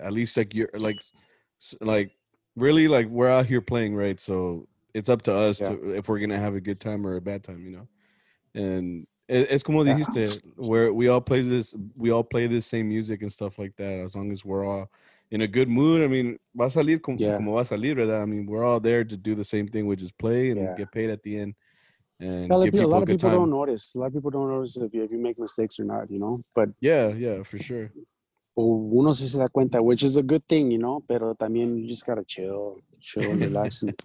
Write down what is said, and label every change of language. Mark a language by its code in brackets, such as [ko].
[en] At least, like, you're, like, really, like, we're out here playing, right? So it's up to us to, if we're going to have a good time or a bad time, you know? And... [es] Es como dijiste, [en] where we all play this same music and stuff like that, as long as we're all in a good mood. I mean, [es] va a salir como va a salir, ¿verdad? [en] I mean, we're all there to do the same thing, which is play and get paid at the end. And yeah, like, a lot of people don't notice if you make mistakes or not, you know? But yeah, for sure. [es] Uno se da cuenta, [en] which is a good thing, you know? [es] Pero también [en] you just gotta chill and relax.